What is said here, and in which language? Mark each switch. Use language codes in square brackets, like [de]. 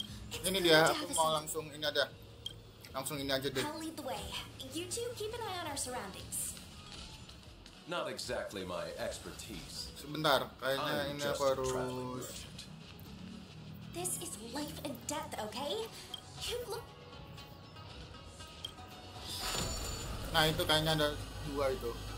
[id] Ini dia, aku mau langsung ini aja. Langsung ini aja deh. [en] I'll lead the way. You two keep an eye on our surroundings. Not exactly my expertise. [id] Sebentar, kayaknya ini aku harus. [en] This is life and death, okay? You look. [id] Nah, itu kayaknya ada dua itu.